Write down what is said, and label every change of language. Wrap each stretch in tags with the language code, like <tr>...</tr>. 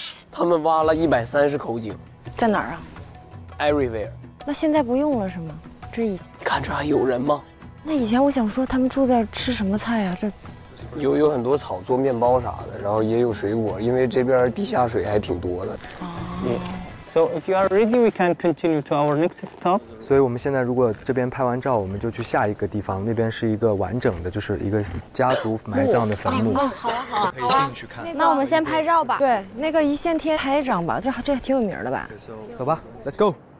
<zh>他们挖了130口井，在哪儿啊</zh> <en>？Everywhere。</en> <zh>那现在不用了是吗？这以看着还有人吗？那以前我想说他们住在吃什么菜啊？这有很多草做面包啥的，然后也有水果，因为这边地下水还挺多的。</zh> <en>Yes. So if you are ready, we can continue to our next stop.</en> <zh>所以我们现在如果这边拍完照，我们就去下一个地方。那边是一个完整的，就是一个家族埋葬的坟墓。好啊，可以进去看。那我们先拍照吧。对，那个一线天拍一张吧，这还挺有名的吧？走吧 ，</zh> <en>Let's go。</en>